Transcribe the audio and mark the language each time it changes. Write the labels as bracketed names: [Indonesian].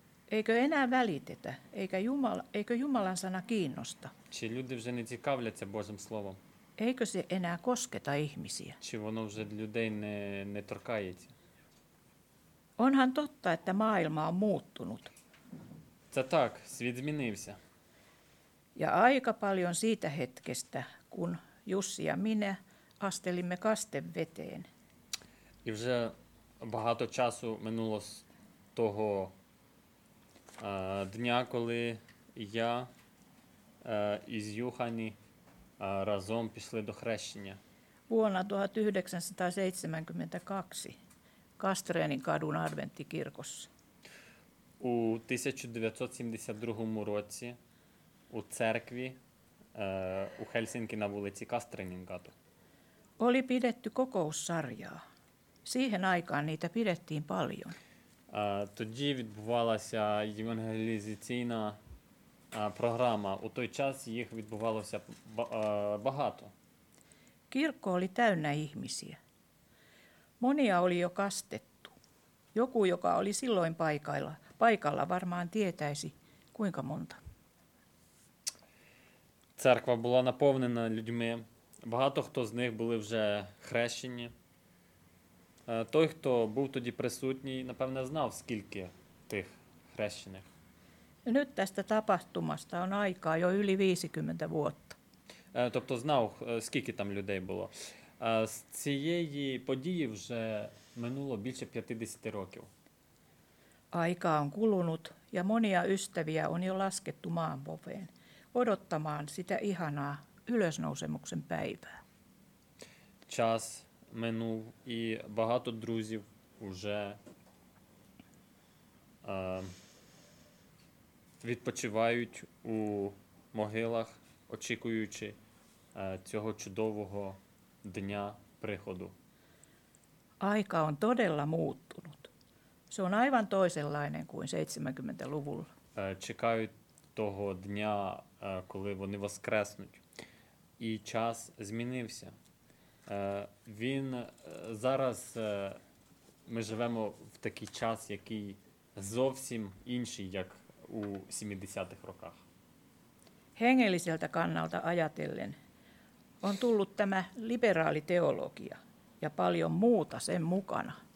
[Finnish] Eikö enää välitetä, eikö Jumalan sana kiinnosta? [Ukrainian] Чи люди вже не цікавляться Божим словом? [Finnish] Eikö se enää kosketa ihmisiä? [Ukrainian] Чи воно вже людей не торкається? [Finnish] Onhan totta, että maailma on muuttunut. [Ukrainian] Це так, світ змінився. [Finnish] Ja aika paljon siitä hetkestä, kun Jussi ja minä astelimme kasteveteen. [Ukrainian] І вже багато часу минуло з того дня, коли я із Юхані разом пішли до хрещення. [Finnish] Vuonna 1972 Kastreenin kadun Adventtikirkossa. [Ukrainian] У 1972 році у церкві у Хельсінкі на вулиці Кастренінгату. [Finnish] Oli pidetty kokoussarjaa. Siihen aikaan niitä pidettiin paljon. [Ukrainian] Тоді відбувалася евангелізаційна програма. У той час їх відбувалося багато. [Finnish] Kirkko oli täynnä ihmisiä. Monia oli jo kastettu. Joku, joka oli silloin paikalla varmaan tietäisi, kuinka monta. [Ukrainian] Церква була наповнена людьми. Багато хто з них були вже хрещені. Той, хто був тоді присутній, напевно, знав, скільки тих хрещених. [Finnish] Nyt tästä tapahtumasta on aikaa jo yli 50 vuotta. [Ukrainian] Тобто знав, скільки там людей було. З цієї події вже минуло більше 50 років. [Finnish] Aikaa on kulunut ja monia ystäviä on jo laskettu maanpoveen odottamaan sitä ihanaa ylösnousemuksen päivää. [Ukrainian] Час минув і багато друзів уже відпочивають у могилах, очікуючи цього чудового дня приходу. [Finnish] Aika on todella muuttunut. Se on aivan toisenlainen kuin 70-luvulla. [Ukrainian] Чекають того дня, коли вони воскреснуть. І час змінився. Він зараз ми живемо в такий час, який зовсім інший, як у 70-х роках. [Finnish] Hengelliseltä kannalta ajatellen on tullut tämä liberaali teologia ja paljon muuta sen mukana.